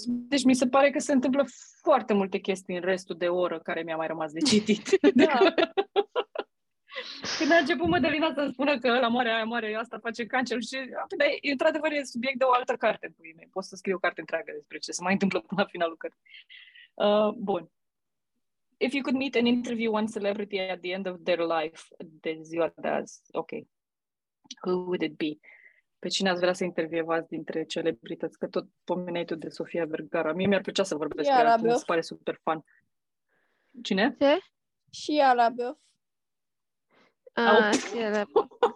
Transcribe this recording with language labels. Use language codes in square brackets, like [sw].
[ro] Deci mi se pare că se întâmplă foarte multe chestii în restul de oră care mi-a mai rămas de citit. Da. Când a început Mădălina să-mi spună că ăla moare, aia moare, asta face cancer și... Dar, într-adevăr, e subiect de o altă carte. Pot să scriu o carte întreagă despre ce se mai întâmplă până la finalul cărții. Bun. [en] If you could meet and interview one celebrity at the end of their life, [ro] de ziua de azi, [en] ok. Who would it be? [ro] Pe cine ați vrea să intervievați dintre celebrități? Că tot pomeneai tu de Sofia Vergara. Mie mi-ar plăcea să vorbesc cu ea, mi se pare super fan. Cine? Ce? Și Ara Beof. Și Ara Beof.